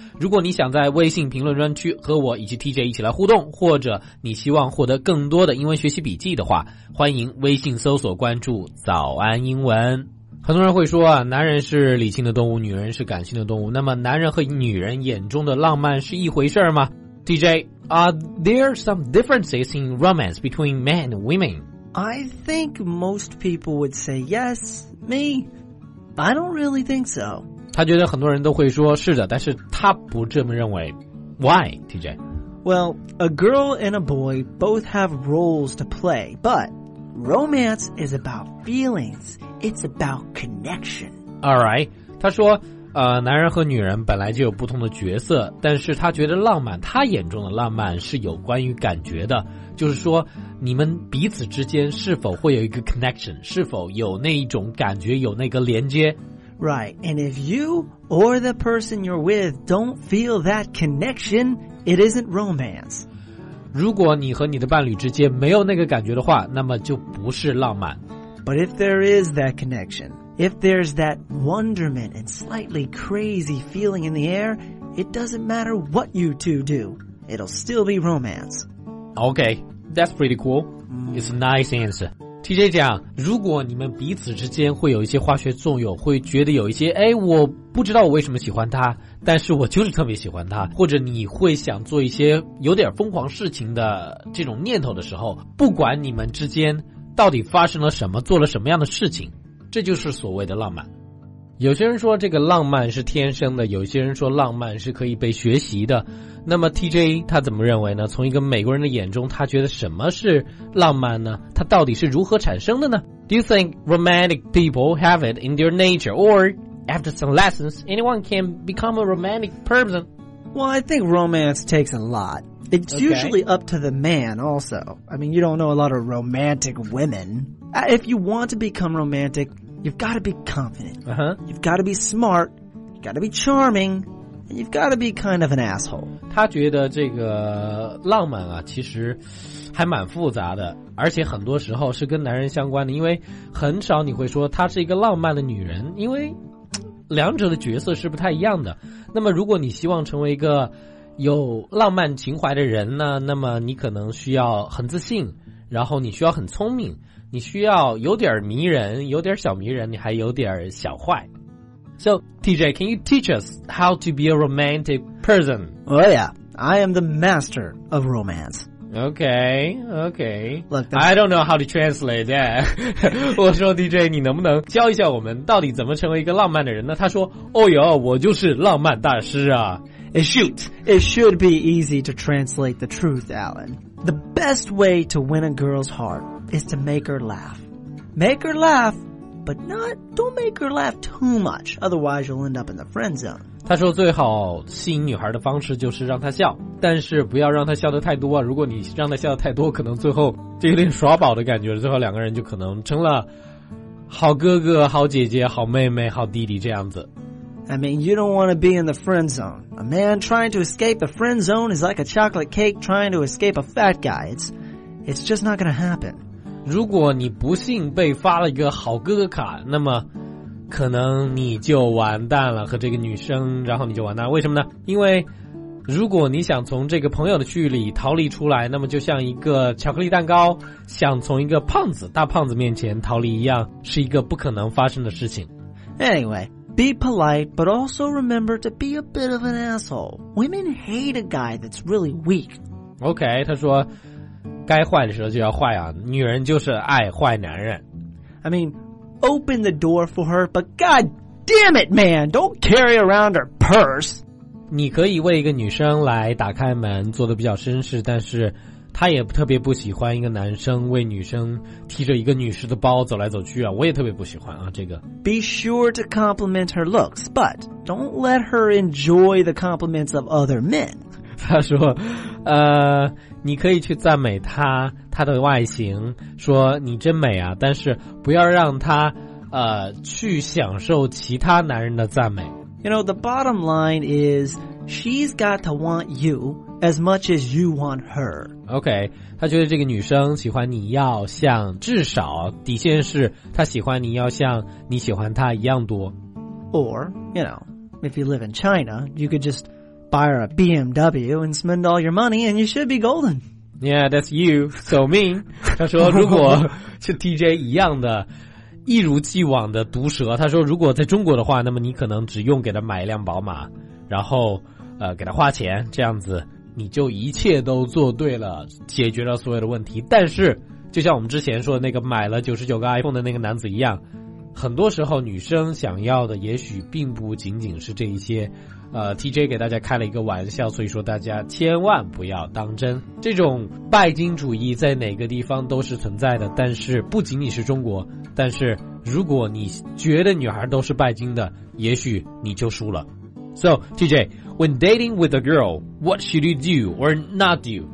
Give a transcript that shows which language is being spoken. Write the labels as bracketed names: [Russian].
[Chinese] 如果你想在微信评论专区和我以及 TJ 一起来互动，或者你希望获得更多的英文学习笔记的话，欢迎微信搜索关注早安英文。很多人会说啊，男人是理性的动物，女人是感性的动物，那么男人和女人眼中的浪漫是一回事吗？ [English] TJ, are there some differences in romance between men and women? I think most people would say yes, me, but I don't really think so. [Chinese] 他觉得很多人都会说是的，但是他不这么认为。 [English] Why, TJ? Well, a girl and a boy both have roles to play, but romance is about feelings. It's about connection. All right. [Chinese] 他说，男人和女人本来就有不同的角色，但是他觉得浪漫，他眼中的浪漫是有关于感觉的，就是说你们彼此之间是否会有一个 connection, 是否有那一种感觉，有那个连接。 [English] Right, and if you or the person you're with don't feel that connection, it isn't romance. [Chinese] 如果你和你的伴侣之间没有那个感觉的话，那么就不是浪漫。 [English] But if there is that connection, if there's that wonderment and slightly crazy feeling in the air, it doesn't matter what you two do, it'll still be romance. Okay. That's pretty cool. It's a nice answer. [Chinese] TJ 讲，如果你们彼此之间会有一些化学作用，会觉得有一些，哎，我不知道我为什么喜欢他，但是我就是特别喜欢他，或者你会想做一些有点疯狂事情的这种念头的时候，不管你们之间到底发生了什么，做了什么样的事情，这就是所谓的浪漫。有些人说这个浪漫是天生的，有些人说浪漫是可以被学习的。那么 TJ 他怎么认为呢？从一个美国人的眼中，他觉得什么是浪漫呢？他到底是如何产生的呢？ [English] Do you think romantic people have it in their nature, or after some lessons, anyone can become a romantic person? Well, I think romance takes a lot. It's usually up to the man also. I mean, you don't know a lot of romantic women. If you want to become romantic, you've got to be confident. Uh-huh. You've got to be smart. You've got to be charming. You've got to be kind of an asshole. [Chinese] 他觉得这个浪漫啊，其实还蛮复杂的，而且很多时候是跟男人相关的，因为很少你会说她是一个浪漫的女人，因为两者的角色是不太一样的。那么如果你希望成为一个有浪漫情怀的人呢，那么你可能需要很自信，然后你需要很聪明，你需要有点迷人，有点小迷人，你还有点小坏。 [English] So TJ, can you teach us how to be a romantic person? Oh yeah, I am the master of romance. Okay, okay. Look, I don't know how to translate that. [Chinese] 我说 TJ, 你能不能教一下我们到底怎么成为一个浪漫的人呢？他说，哦哟，我就是浪漫大师啊。 [English] It should be easy to translate the truth, Alan. The best way to win a girl's heart is to make her laugh. Make her laugh, but don't make her laugh too much, otherwise you'll end up in the friend zone. [Chinese] 他说最好吸引女孩的方式就是让她笑，但是不要让她笑得太多，如果你让她笑得太多，可能最后就有点耍宝的感觉，最后两个人就可能成了好哥哥、好姐姐、好妹妹、好弟弟这样子。 [English] I mean, you don't want to be in the friend zone. A man trying to escape the friend zone is like a chocolate cake trying to escape a fat guy. It's just not going to happen. [Chinese] 如果你不幸被发了一个好哥哥卡，那么可能你就完蛋了，和这个女生，然后你就完蛋。为什么呢？因为如果你想从这个朋友的区域里逃离出来，那么就像一个巧克力蛋糕想从一个胖子、大胖子面前逃离一样，是一个不可能发生的事情。 [English] Anyway,Be polite, but also remember to be a bit of an asshole. Women hate a guy that's really weak. [Chinese] Okay, 他说该坏的时候就要坏啊，女人就是爱坏男人。 [English] I mean, open the door for her, but god damn it, man, don't carry around her purse. [Chinese] 你可以为一个女生来打开门，做得比较绅士，但是他也特别不喜欢一个男生为女生提着一个女士的包走来走去啊，我也特别不喜欢啊。这个 [English] Be sure to compliment her looks, but don't let her enjoy the compliments of other men. [Chinese] 他说你可以去赞美她，她的外形，说你真美啊，但是不要让她去享受其他男人的赞美。 [English] You know, the bottom line is she's got to want youAs much as you want her. [Chinese] Okay, 他觉得这个女生喜欢你要像，至少底线是她喜欢你要像你喜欢她一样多。 [English] Or, you know, if you live in China, you could just buy her a BMW and spend all your money and you should be golden. Yeah, that's you, so me. [Chinese] 他说如果是 TJ 一样的，一如既往的毒舌，他说如果在中国的话，那么你可能只用给她买一辆宝马，然后给他花钱，这样子你就一切都做对了，解决了所有的问题。但是就像我们之前说的那个买了99个 iPhone 的那个男子一样，很多时候女生想要的也许并不仅仅是这一些。 TJ 给大家开了一个玩笑，所以说大家千万不要当真，这种拜金主义在哪个地方都是存在的，但是不仅仅是中国。但是如果你觉得女孩都是拜金的，也许你就输了。 [English] So, TJ, when dating with a girl, what should you do or not do?